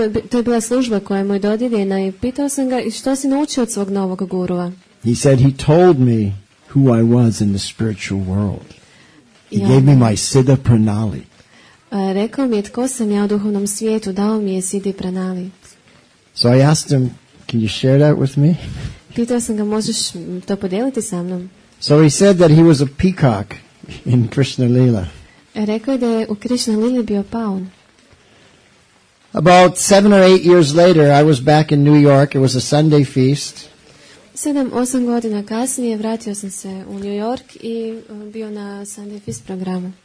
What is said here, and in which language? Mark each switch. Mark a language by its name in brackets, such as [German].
[Croatian] To je bila služba koja mu je dodijeljena i pitao sam ga, što si naučio od svog novog gurua? [English] He said, he told me who I was in the spiritual world. He gave me my siddha pranali. [Croatian] Rekao mi je, tko sam ja u duhovnom svijetu, dao mi je siddhi pranali. [English] So I asked him, can you share that with me? [Croatian] Pitao sam ga, možeš to podijeliti sa mnom? [English] So he said that he was a peacock in Krishna Lila. [Croatian] Rekao da je u Krishna Lili bio paun. [English] About 7 or 8 years later, I was back in New York. It was a Sunday feast. [Croatian] 7-8 godina kasnije vratio sam se u New York i bio na [English] Sunday feast [Croatian] programu.